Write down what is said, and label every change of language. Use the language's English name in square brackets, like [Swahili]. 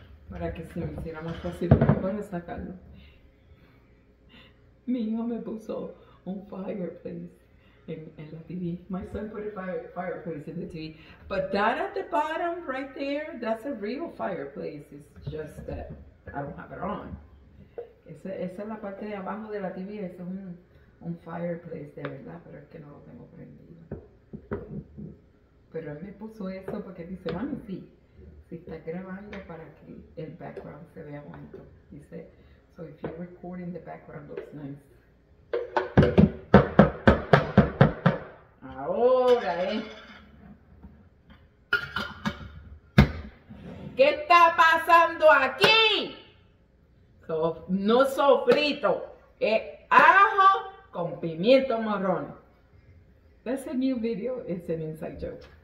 [Spanish] Para que se me hiciera más fácil para sacarlo. Mi hijo me puso un fireplace en la TV. [English] My son put a fireplace in the TV. But that at the bottom right there, that's a real fireplace. It's just that I don't have it on. [Spanish] Esa es la parte de abajo de la TV. Es un fireplace de verdad, pero es que no lo tengo prendido. Pero él me puso eso porque dice, mami, sí, si está grabando para que el background se vea bonito. [English] Dice, so if you're recording, the background looks nice. [Spanish] Ahora, ¿qué está pasando aquí? So, no sofrito, es ajo con pimiento morrón. [English] That's a new video, it's an inside joke.